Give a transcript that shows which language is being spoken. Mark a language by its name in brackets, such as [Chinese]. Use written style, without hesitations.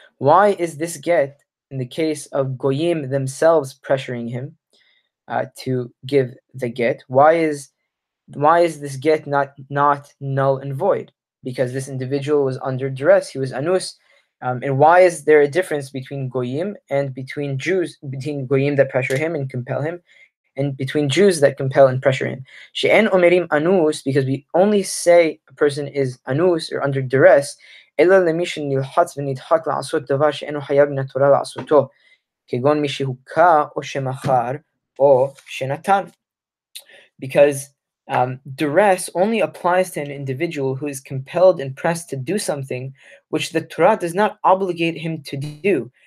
[English] Why is this get, in the case of goyim themselves pressuring him to give the get, why is this get not null and void? Because this individual was under duress, he was anus, and why is there a difference between goyim and between Jews, between goyim that pressure him and compel him, and between Jews that compel and pressure him? [Hebrew] She'en omerim anus, [English] because we only say a person is anus or under duress, [Hebrew] אלא למי שנלחץ ונדחק לעשות דבר שאינו חייב מן התורה לעשותו, כגון מי שהוקה או שמחר או שנתן. [English] Because duress only applies to an individual who is compelled and pressed to do something which the Torah does not obligate him to do.